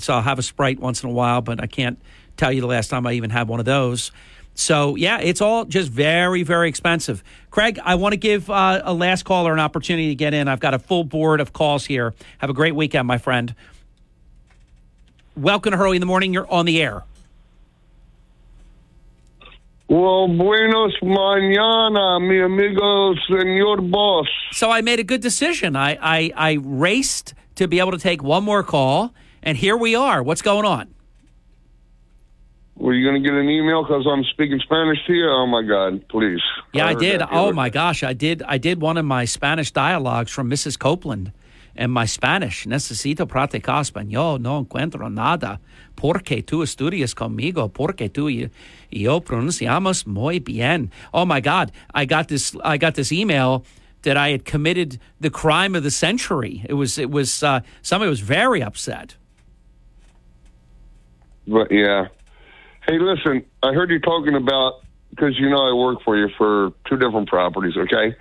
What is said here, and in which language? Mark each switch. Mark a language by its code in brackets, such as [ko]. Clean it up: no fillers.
[en] So I'll have a Sprite once in a while, but I can't tell you the last time I even had one of those. So yeah, it's all just very, very expensive. Craig, I want to give a last caller an opportunity to get in. I've got a full board of calls here. Have a great weekend, my friend. Welcome to Hurley in the Morning. You're on the air. Well, [es] buenos mañana, mi amigo, señor boss. [en] So I made a good decision. I raced to be able to take one more call, and here we are. What's going on? Were you going to get an email because I'm speaking Spanish to you? Oh, my God, please. Yeah, I did. Oh, my gosh, I did. I did one of my Spanish dialogues from Mrs. [es] Copeland, [en] and my Spanish, [es] necesito practicar español, no encuentro nada. ¿Por qué tú estudias conmigo? ¿Por qué tú y yo pronunciamos muy bien? [en] Oh, my God, I got this email that I had committed the crime of the century. It was somebody was very upset. But, yeah. Hey, listen, I heard you talking about, because you know I work for you for two different properties, okay?